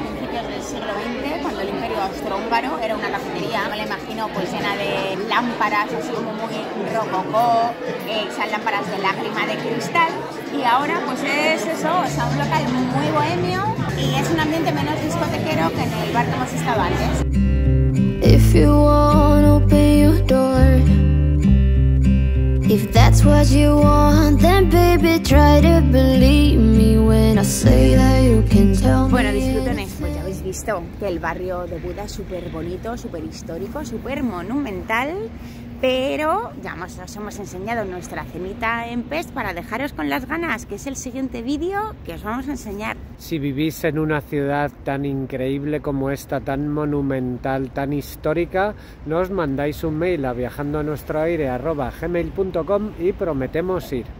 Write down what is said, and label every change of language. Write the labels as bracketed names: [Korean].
[Spanish] Del siglo XX, cuando el imperio austrohúngaro era una cafetería, me la imagino pues llena de lámparas, así como muy rococó, esas lámparas de lágrima de cristal, y ahora pues es eso, o sea, un local muy bohemio y es un ambiente menos discotequero que en el bar que hemos estado antes. [English] If you want, open your door. If that's what you want, then baby, try to believe me when I say that you can tell me. [Spanish] Bueno, disfrutones, pues ya habéis visto que el barrio de Buda es súper bonito, súper histórico, súper monumental, pero ya os hemos enseñado nuestra cenita en Pest para dejaros con las ganas, que es el siguiente vídeo que os vamos a enseñar. Si vivís en una ciudad tan increíble como esta, tan monumental, tan histórica, nos mandáis un mail a viajandonuestroaire@gmail.com y prometemos ir.